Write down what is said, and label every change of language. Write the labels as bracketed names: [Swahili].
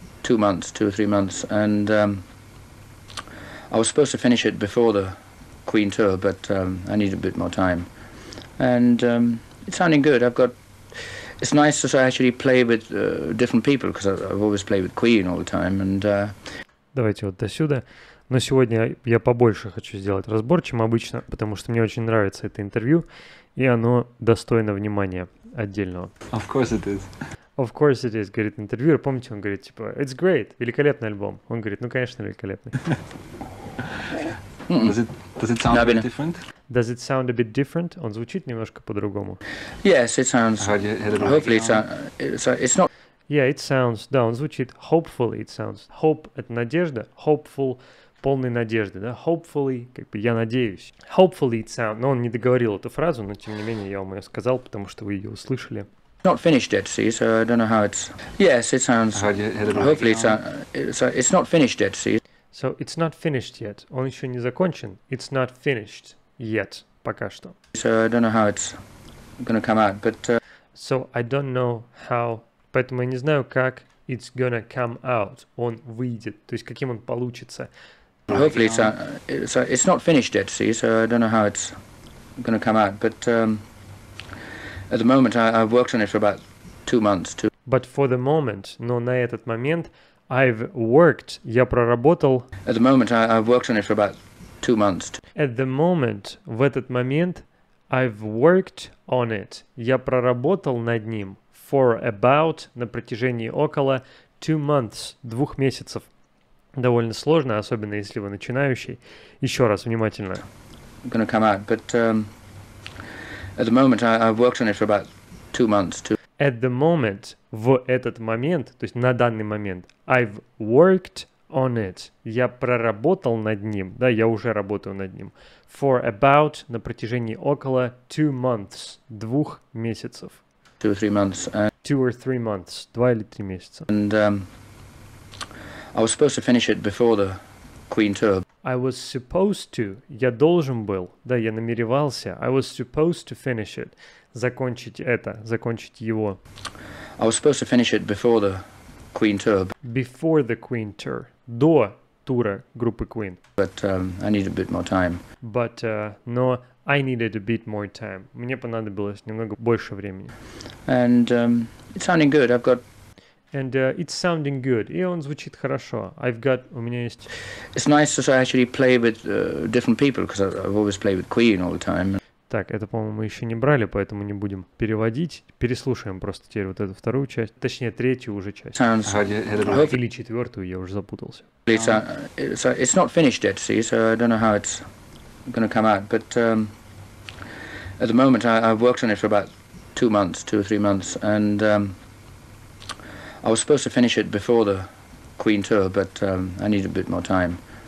[English] 2 months, 2 or 3 months, and I was supposed to finish it before the Queen tour, but I needed a bit more time. And it's sounding good. It's nice to actually play with different people, because I've always played with Queen all the time. And [Russian] давайте вот до сюда. Но сегодня я побольше хочу сделать разбор, чем обычно, потому что мне очень нравится это интервью, и оно достойно внимания отдельного. [English] Of course it is. Of course it is, [Russian] говорит [English] интервьюер. [Russian] Помните, он говорит, типа, [English] it's great, [Russian] великолепный альбом. Он говорит, ну, конечно, великолепный. [English] Does it sound a bit different? Does it sound a bit different? [Russian] Он звучит немножко по-другому. [English] Yes, it sounds... Hopefully it's not... Yeah, it sounds... [Russian] Да, он звучит... [English] Hopefully it sounds... Hope — [Russian] это надежда. Hopeful — полной надежды, да? Hopefully, как бы, я надеюсь. [English] Hopefully it sounds... [Russian] Но он не договорил эту фразу, но, тем не менее, я вам ее сказал, потому что вы ее услышали. [English] Not finished yet, see, so I don't know how it's... Yes, it sounds... Hopefully it sounds... It's not finished yet, see. So it's not finished yet. [Russian] Он еще не закончен. [English] It's not finished yet. [Russian] Пока что. [English] So I don't know how it's gonna come out, but... So I don't know how... [Russian] Поэтому я не знаю, как [English] it's gonna come out. [Russian] Он выйдет. То есть каким он получится. [English] Hopefully it's... It's not finished yet, see, so I don't know how it's gonna come out, but... At the moment, I've worked on it for about 2 months. But for the moment, [Russian] но на этот момент, [English] I've worked, [Russian] я проработал. [English] At the moment, I've worked on it for about 2 months. At the moment, [Russian] в этот момент, [English] I've worked on it, [Russian] я проработал над ним [English] for about, [Russian] на протяжении около, [English] 2 months, [Russian] 2 месяцев. Довольно сложно, особенно если вы начинающий. Еще раз, внимательно. [English] I'm gonna come out, but at the moment I've worked on it for about 2 months. At the moment, [Russian] в этот момент, то есть на данный момент, [English] I've worked on it, [Russian] я проработал над ним, да, я уже работаю над ним, [English] for about, [Russian] на протяжении около [English] 2 months, [Russian] 2 месяцев. [English] Two or three months. Two or three months, [Russian] 2 или 3 месяца. [English] And I was supposed to finish it before the Queen tour. I was supposed to, [Russian] я должен был, да, я намеревался, [English] I was supposed to finish it, [Russian] закончить это, закончить его. [English] I was supposed to finish it before the Queen tour. Before the Queen tour, [Russian] до тура группы Queen. [English] But I needed a bit more time. But, [Russian] но [English] I needed a bit more time. [Russian] Мне понадобилось немного больше времени. [English] And it's sounding good, I've got... And it's sounding good. [Russian] И он звучит хорошо. [English] I've got, [Russian] у меня есть... [English] It's nice to actually play with different people, because I've always played with Queen all the time. [Russian] Так, это, по-моему, мы еще не брали, поэтому не будем переводить. Переслушаем просто теперь вот эту вторую часть. Точнее, третью уже часть. [English] Sounds... [Russian] Или четвертую, я уже запутался. [English] It's not finished yet, see, so I don't know how it's gonna come out. But at the moment I've worked on it for about 2 months, 2 or 3 months, and... I was supposed to finish it before the Queen tour, but I needed a bit more time.